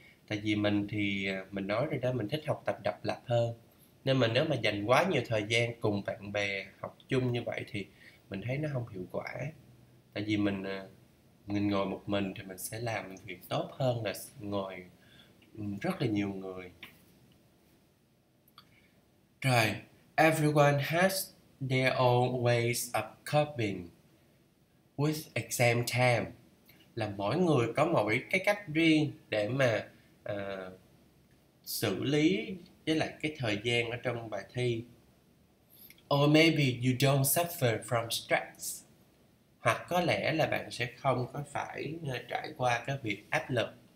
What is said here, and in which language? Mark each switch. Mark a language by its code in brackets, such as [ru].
[vi] Tại vì mình thì mình nói rồi đó, mình thích học tập độc lập hơn. Nên mà nếu mà dành quá nhiều thời gian cùng bạn bè học chung như vậy thì mình thấy nó không hiệu quả. Tại vì mình ngồi một mình thì mình sẽ làm việc tốt hơn là ngồi rất là nhiều người. [en] Right. Everyone has their own ways of coping with exam time. [vi] Là mỗi người có mỗi cái cách riêng để mà xử lý với lại cái thời gian ở trong bài thi. [en] Or maybe you don't suffer from stress. [vi] Hoặc có lẽ là bạn sẽ không có phải trải qua cái việc áp lực.